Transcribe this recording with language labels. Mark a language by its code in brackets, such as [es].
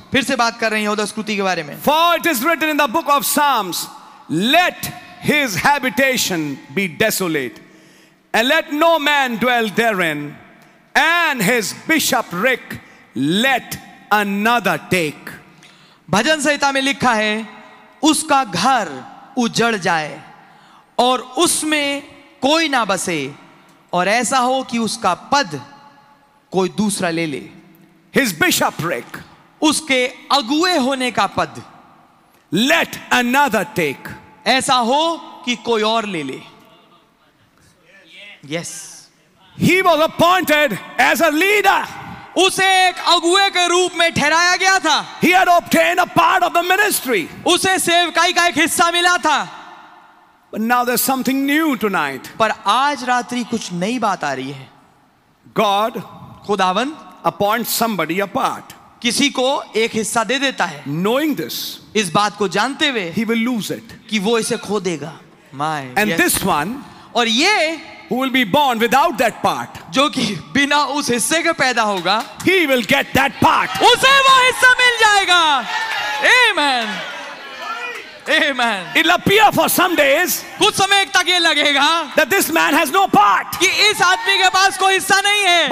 [en] For it is written in the book of Psalms, let his habitation be desolate, and let no man dwell therein, and his bishopric let another take. [hi] भजन संहिता में लिखा है, उसका घर उजड़ जाए और उसमें कोई ना बसे, और ऐसा हो कि उसका पद कोई दूसरा ले ले. [en] His bishopric, [hi] उसके अगुए होने का पद, [en] let another take, [hi] ऐसा हो कि कोई और ले ले. [en] Yes. He was appointed as a leader. [hi] उसे एक अगुए के रूप में ठहराया गया था. [en] He had obtained a part of the ministry. [hi] उसे सेवकाई का एक हिस्सा मिला था. [en] But now there's something new tonight. [hi] पर आज रात्रि कुछ नई बात आ रही है. [en] God, [hi] खुदावन, [en] appoints somebody a part. [hi] किसी को एक हिस्सा दे देता है. [en] Knowing this, [hi] इस बात को जानते हुए, [en] he will lose it. [hi] कि वो इसे खो देगा. My, [en] and yes. This one, [hi] और ये, [en] who will be born without that part, [hi] जो कि बिना उस हिस्से के पैदा होगा, [en] he will get that part. [hi] उसे वो हिस्सा मिल जाएगा. Amen. Amen. [en] It'll appear for some days. [hi] कुछ समय तक ये लगेगा. [en] That this man has no part. [hi] कि इस आदमी के पास कोई हिस्सा नहीं है.